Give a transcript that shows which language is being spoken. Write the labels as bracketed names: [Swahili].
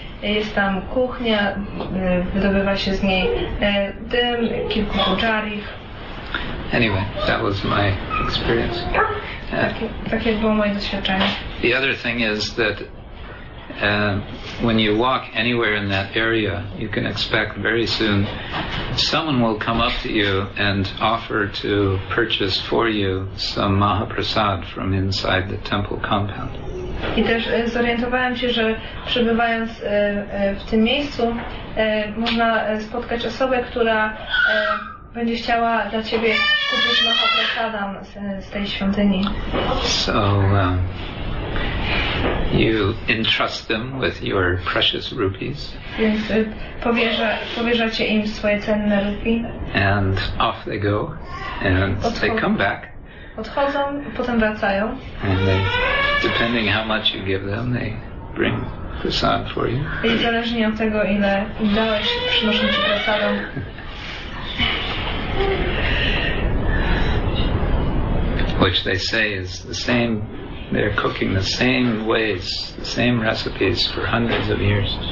[Polish] Jest tam kuchnia, wydobywa się z niej dym, kilku pujarich. [English] Anyway, that was my experience. [Polish] Takie było moje doświadczenie. [English] The other thing is that when you walk anywhere in that area, you can expect very soon someone will come up to you and offer to purchase for you some Mahaprasad from inside the temple compound. [Polish] I też zorientowałem się, że przebywając w tym miejscu, można spotkać osobę, która będzie chciała dla ciebie kupić Mahaprasadam z tej świątyni. [English] So, you entrust them with your precious rupees. [Polish] Więc powierzacie im swoje cenne rupie. [English] And off they go, and they come back. [Polish] Odchodzą, potem wracają. [English] And they, depending how much you give them, they bring prasad for you. [Polish] I zależnie od tego, ile im dałeś, przynoszą ci prasadę. [English] Which they say is the same. They're cooking the same ways, the same recipes for hundreds of years.